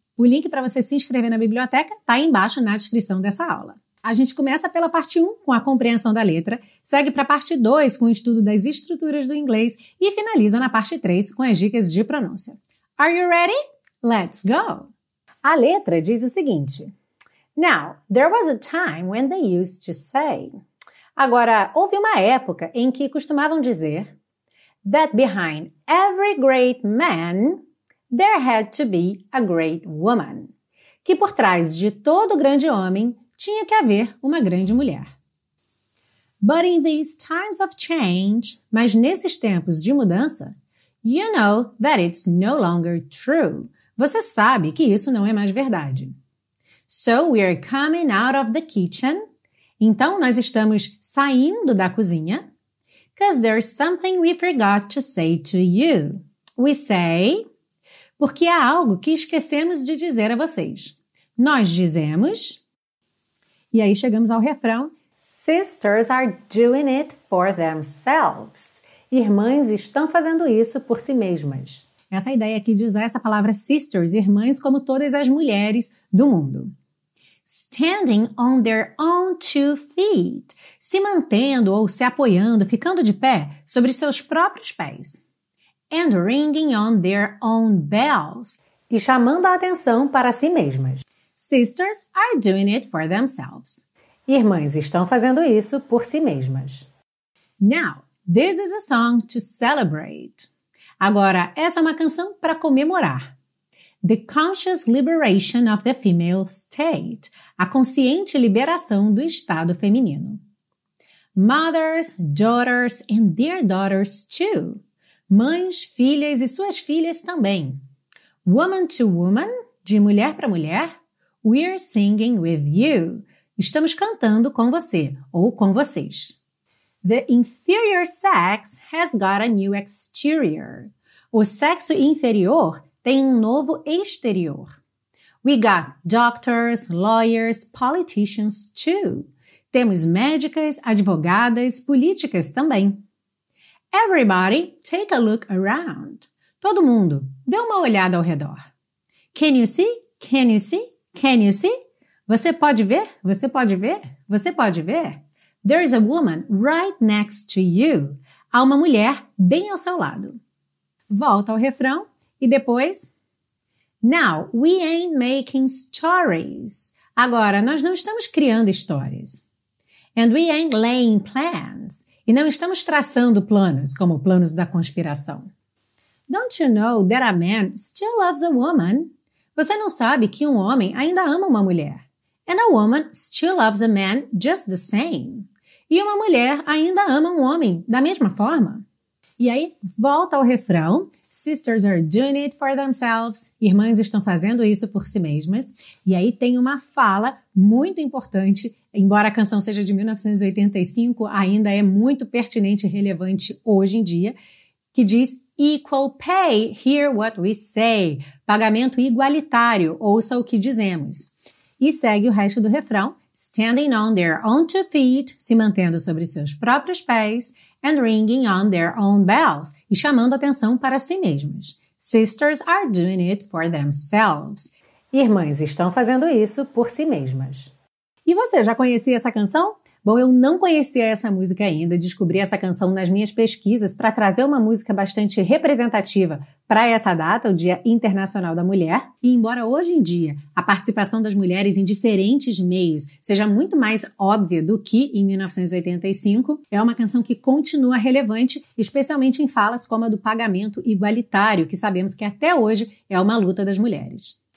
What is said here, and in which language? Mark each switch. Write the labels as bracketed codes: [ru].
[pt] O link para você se inscrever na biblioteca está aí embaixo na descrição dessa aula. A gente começa pela parte 1, com a compreensão da letra, segue para a parte 2, com o estudo das estruturas do inglês e finaliza na parte 3, com as dicas de pronúncia. [en] Are you ready? Let's go! [pt] A letra diz o seguinte... [en] Now, there was a time when they used to say... [pt] Agora, houve uma época em que costumavam dizer... [en] That behind every great man, there had to be a great woman. [pt] Que por trás de todo grande homem, tinha que haver uma grande mulher. [en] But in these times of change, [pt] mas nesses tempos de mudança... [en] You know that it's no longer true. [pt] Você sabe que isso não é mais verdade. [en] So we are coming out of the kitchen. [pt] Então nós estamos saindo da cozinha. [en] Because there's something we forgot to say to you. We say. [pt] Porque há algo que esquecemos de dizer a vocês. Nós dizemos. E aí chegamos ao refrão. [en] Sisters are doing it for themselves. [pt] Irmãs estão fazendo isso por si mesmas. Essa ideia aqui de usar essa palavra sisters, irmãs, como todas as mulheres do mundo. [en] Standing on their own two feet. [pt] Se mantendo ou se apoiando, ficando de pé sobre seus próprios pés. [en] And ringing on their own bells. [pt] E chamando a atenção para si mesmas. [en] Sisters are doing it for themselves. [pt] Irmãs estão fazendo isso por si mesmas. [en] Now, this is a song to celebrate. [pt] Agora, essa é uma canção para comemorar. [en] The conscious liberation of the female state. [pt] A consciente liberação do estado feminino. [en] Mothers, daughters, and their daughters too. [pt] Mães, filhas e suas filhas também. [en] Woman to woman, [pt] de mulher para mulher. [en] We're singing with you. [pt] Estamos cantando com você ou com vocês. [en] The inferior sex has got a new exterior. [pt] O sexo inferior tem um novo exterior. [en] We got doctors, lawyers, politicians too. [pt] Temos médicas, advogadas, políticas também. [en] Everybody, take a look around. [pt] Todo mundo, dê uma olhada ao redor. [en] Can you see? Can you see? Can you see? [pt] Você pode ver? Você pode ver? [en] Você pode ver? There's a woman right next to you. [pt] Há uma mulher bem ao seu lado. Volta ao refrão. E depois, [en] now, we ain't making stories. [pt] Agora, nós não estamos criando histórias. [en] And we ain't laying plans. [pt] E não estamos traçando planos, como planos da conspiração. [en] Don't you know that a man still loves a woman? [pt] Você não sabe que um homem ainda ama uma mulher. [en] And a woman still loves a man just the same. [pt] E uma mulher ainda ama um homem, da mesma forma. E aí, volta ao refrão. [en] Sisters are doing it for themselves. [pt] Irmãs estão fazendo isso por si mesmas. E aí tem uma fala muito importante, embora a canção seja de 1985, ainda é muito pertinente e relevante hoje em dia, que diz [en] equal pay, hear what we say. [pt] Pagamento igualitário, ouça o que dizemos. E segue o resto do refrão, [en] standing on their own two feet, [pt] se mantendo sobre seus próprios pés, [en] and ringing on their own bells, [pt] e chamando atenção para si mesmas. [en] Sisters are doing it for themselves. [pt] Irmãs estão fazendo isso por si mesmas. E você, já conhecia essa canção? Bom, eu não conhecia essa música ainda, descobri essa canção nas minhas pesquisas para trazer uma música bastante representativa para essa data, o Dia Internacional da Mulher. E embora hoje em dia a participação das mulheres em diferentes meios seja muito mais óbvia do que em 1985, é uma canção que continua relevante, especialmente em falas como a do pagamento igualitário, que sabemos que até hoje é uma luta das mulheres.